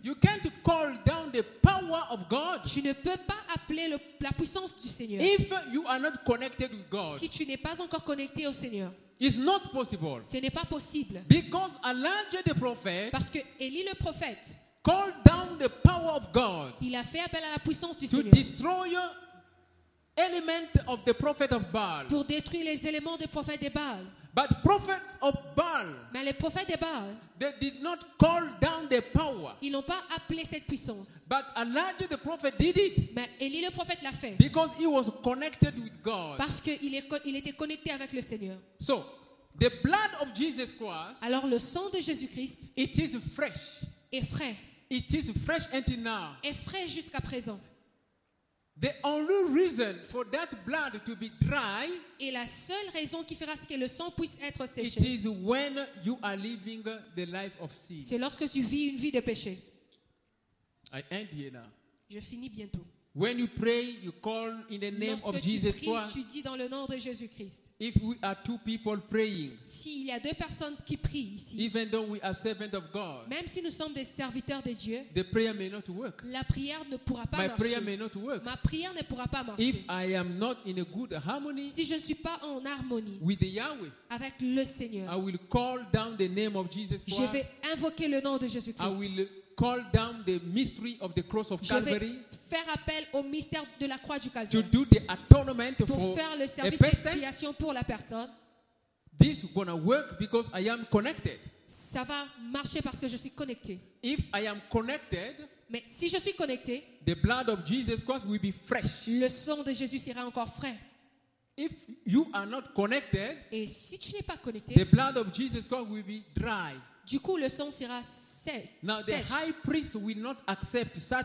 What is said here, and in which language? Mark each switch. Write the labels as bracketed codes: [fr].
[en] You can't call down the power of God. [fr] Tu ne peux pas appeler le, la puissance du Seigneur. [en] If you are not connected with God. [fr] Si tu n'es pas encore connecté au Seigneur. [en] It's not possible. [fr] Ce n'est pas possible. [en] Because Elijah the prophet, [fr] parce que Élie le prophète, [en] called down the power of God. [fr] Il a fait appel à la puissance du [en] to [fr] Seigneur. [en] To destroy element of the prophet of Baal. [fr] Pour détruire les éléments des prophètes de Baal. [en] But prophet of Baal. [fr] Mais les prophètes de Baal. [en] They did not call down the power. [fr] Ils n'ont pas appelé cette puissance. [en] But Elijah the prophet did it. [fr] Mais Élie le prophète l'a fait. [en] Because he was connected with God. [fr] Parce que il était connecté avec le Seigneur. [en] So, the blood of Jesus Christ. [fr] Alors le sang de Jésus-Christ. [en] It is fresh. [fr] Est frais. [en] It is fresh until now. [fr] Est frais jusqu'à présent. [en] The only reason for that blood to be dry. [fr] Et la seule raison qui fera ce que le sang puisse être séché. [en] It is when you are living the life of sin. [fr] C'est lorsque tu vis une vie de péché. [en] I end here now. [fr] Je finis bientôt. [en] When you pray, you call in the name [fr] lorsque [en] of Jesus Christ. [fr] Lorsque tu pries, tu dis dans le nom de Jésus Christ. [en] If we are two people praying. [fr] S'il y a deux personnes qui prient ici. [en] Even though we are servants of God. [fr] Même si nous sommes des serviteurs de Dieu. [en] The prayer may not work. [fr] La prière ne pourra pas [en] my [fr] marcher. [en] My prayer may not work. [fr] Ma prière ne pourra pas marcher. [en] If I am not in a good harmony. [fr] Si je ne suis pas en harmonie. [en] With the Yahweh. [fr] Avec le Seigneur. [en] I will call down the name of Jesus Christ. [fr] Je vais invoquer le nom de Jésus Christ. [en] I will call down the mystery of the cross of Calvary. [fr] Je vais faire appel au mystère de la croix du Calvaire. [en] To do the atonement [fr] pour [en] for [fr] faire le service d'expiation pour la personne. [en] This is gonna work because I am connected. [fr] Ça va marcher parce que je suis connecté. [en] If I am connected, [fr] mais si je suis connecté, [en] the blood of Jesus Christ will be fresh. [fr] Le sang de Jésus sera encore frais. [en] If you are not connected, [fr] et si tu n'es pas connecté, [en] the blood of Jesus Christ will be dry. [fr] Du coup, le sang sera sec. [en] Now [fr] sèche. [en] The high priest will not accept such